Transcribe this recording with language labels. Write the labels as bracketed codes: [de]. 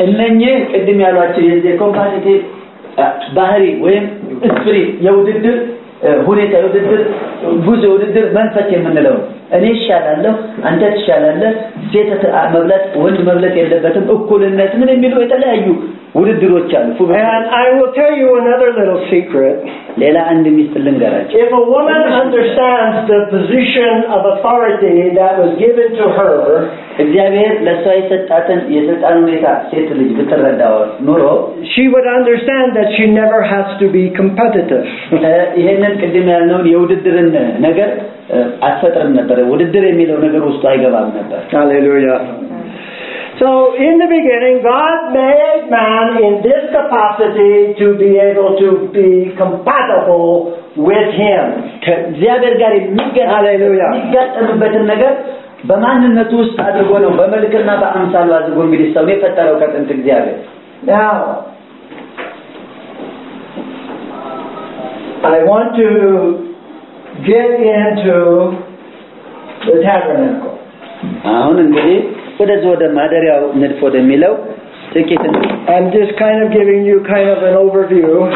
[am] እነኚ ቀድም ያሏችሁ የዚህ competitive ባህሪ ወይም ስፕሪት የውድድር ሁኔታ የውድድር ጉዞ የውድድር መንፈስ የምንለው እኔ ይሻላለሁ አንተ ትሻላለህ ሴት መብለጥ ወንድ መብለጥ የለበትም እኩልነት ምን የሚሉ የተለያዩ ውድድሮች አሉ [en] And I will tell you another little secret [am] ሌላ አንድ ሚስጥር ልንገራችሁ [en] If a woman understands the position of authority that was given to her [am] እግዚአብሔር ለሷ የሰጣትን የስልጣን ሁኔታ ሴት ልጅ ብትረዳው ኑሮ [en] she would understand that she never has to be competitive [am] ይሄንን ቅድም ያልነውን የውድድርን ነገር አትፈጥርም ነበር ውድድር የሚለው ነገር ውስጥ አይገባም ነበር [en] Hallelujah So in the beginning God made man in this capacity to be able to be compatible with him. [am] እግዚአብሔር ጋር ሃሌሉያ የሚገጠምበትን ነገር በማንነቱ ውስጥ አድርጎ ነው በመልክና በአምሳሉ አድርጎ እንግዲህ ሰው የፈጠረው ከጥንት እግዚአብሔር። [en] Now I want to get into the tabernacle. [am] አሁን እንግዲህ ወደዚህ ወደ ማደሪያው ንድፍ ወደሚለው ጥቂት [en] I'm just kind of giving you kind of an overview